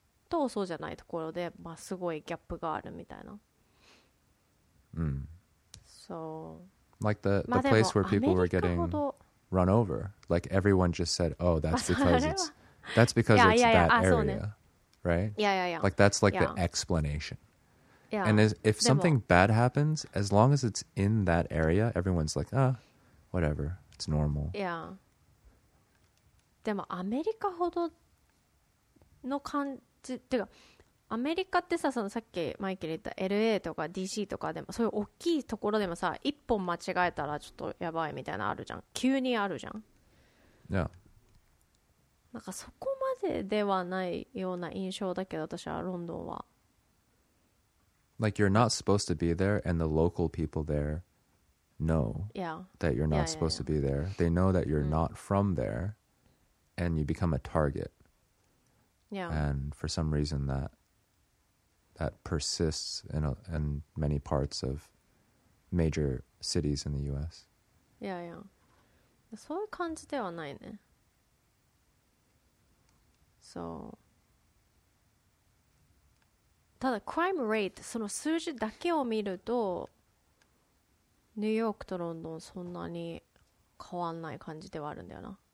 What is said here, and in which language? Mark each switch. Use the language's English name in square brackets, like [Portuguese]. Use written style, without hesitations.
[Japanese] とそうじゃないところで、まあ、すごいギャップがあるみたいな。うん。 [English] So, like the place where people were getting run over. Like everyone just said, oh, that's because it's that's because yeah, it's yeah, that yeah, area, yeah. right? Yeah, yeah, yeah. Like that's like yeah. the explanation. Yeah. And as, if something bad happens, as long as it's in that area, everyone's like, ah, whatever, it's normal. Yeah. [Japanese] でもアメリカほどの感じっていうか、アメリカってさ、そのさっきマイケル言った LA とか DC とかでもそういう大きいところでもさ、一本間違えたらちょっとやばいみたいなあるじゃん、急にあるじゃん。いや、なんかそこまでではないような印象だけど、私はロンドンは [English] Like you're not supposed to be there and the local people there know that you're not supposed to be there. They know that you're not from there and you become a target. Yeah. And for some reason that that persists in many parts of major cities in the US. Yeah, yeah. [Japanese] そういう感じではないね。そう。ただ、crime rate、その数字だけを見ると、ニューヨークとロンドンそんなに変わんない感じではあるんだよな。